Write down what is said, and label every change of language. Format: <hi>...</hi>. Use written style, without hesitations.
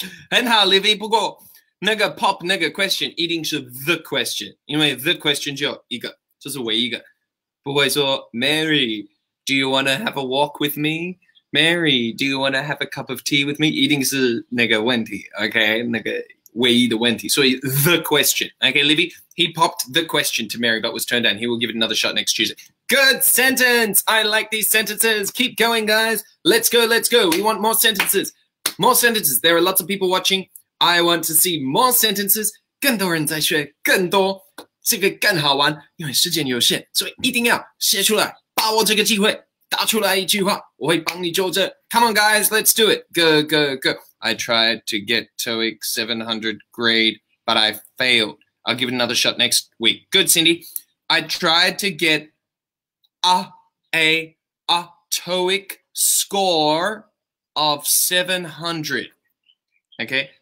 <zh>很好 ，Livy。不过那个 pop 那个 question 一定是</zh> <en>the question，</en> <zh>因为 the question 只有一个，就是唯一一个。不会说</zh> <en>Mary， do you want to have a walk with me？ Mary， do you want to have a cup of tea with me？</en> <zh>一定是那个问题 ，OK， 那个唯一的问题。所以</zh> <en>the question， OK， Livy。 He popped the question to Mary, but was turned down. He will give it another shot next Tuesday. Good sentence. I like these sentences. Keep going, guys. Let's go, let's go. We want more sentences. More sentences. There are lots of people watching. I want to see more sentences.</en> <zh>更多人在学更多，这个更好玩。因为时间有限，所以一定要写出来。把握这个机会，打出来一句话，我会帮你纠正。</zh> <en>Come on, guys. Let's do it. Go, go, go. I tried to get TOEIC 700 grade, but I failed. I'll give it another shot next week. Good, Cindy. I tried to get a TOEIC score of 700. Okay?</en>